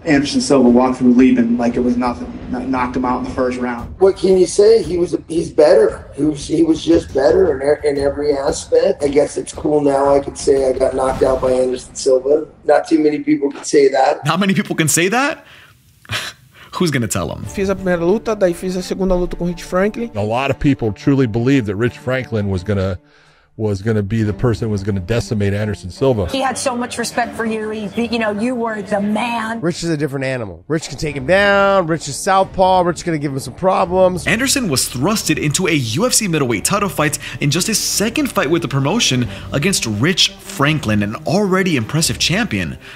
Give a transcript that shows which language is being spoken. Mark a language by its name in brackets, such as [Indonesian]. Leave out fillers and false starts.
[English] Anderson Silva walked through Leben like it was nothing, knocked him out in the first round. What can you say? He's better. He was just better in every aspect. I guess it's cool now I could say I got knocked out by Anderson Silva. Not too many people can say that. Not many people can say that? Who's going to tell him? [Portuguese] Fiz a primeira luta, daí fiz a segunda luta com Rich Franklin. [English] A lot of people truly believed that Rich Franklin was going to be the person who was going to decimate Anderson Silva. He had so much respect for you. You were the man. Rich is a different animal. Rich can take him down. Rich is southpaw. Rich is going to give him some problems. Anderson was thrusted into a UFC middleweight title fight in just his second fight with the promotion against Rich Franklin, an already impressive champion.